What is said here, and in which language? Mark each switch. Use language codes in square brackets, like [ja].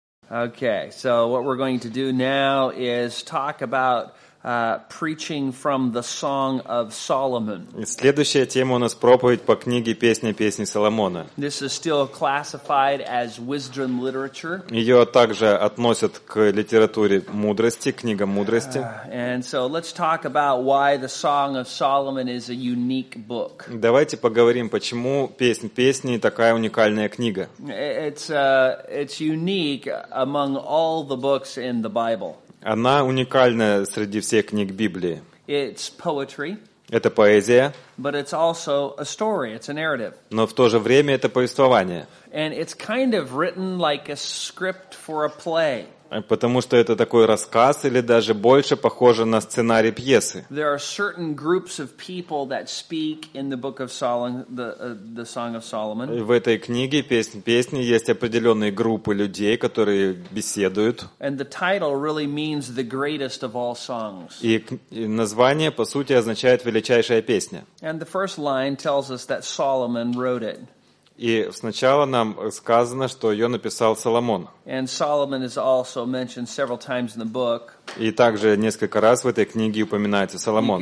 [en] Okay, so what we're going to do now is talk about preaching from the Song of Solomon. [ru] Следующая тема у нас проповедь по книге Песни Песни Соломона. [en] This is still classified as wisdom literature. [ru] Ее также относят к литературе мудрости, книгам мудрости. [en] And so let's talk about why the Song of Solomon is a unique book. [ru] Давайте поговорим, почему Песнь Песней такая уникальная книга. [en] It's unique among all the books in the Bible. [ru] Она уникальна среди всех книг Библии. [en] It's poetry. [ru] Это поэзия. [en] But it's also a story. It's a narrative. [ru] Но в то же время это повествование. [en] And it's kind of written like a script for a play. [ru] Потому что это такой рассказ или даже больше похоже на сценарий пьесы. [en] There are certain groups of people that speak in the book of Solomon, the Song of Solomon. [ru] В этой книге песни есть определенные группы людей, которые беседуют. [en] And the title really means the greatest of all songs. [ru] И название по сути означает величайшая песня. [en] And the first line tells us that Solomon wrote it. [ru] И сначала нам сказано, что ее написал Соломон. [en] And Solomon is also mentioned several times in the book. [ru] И также несколько раз в этой книге упоминается Соломон.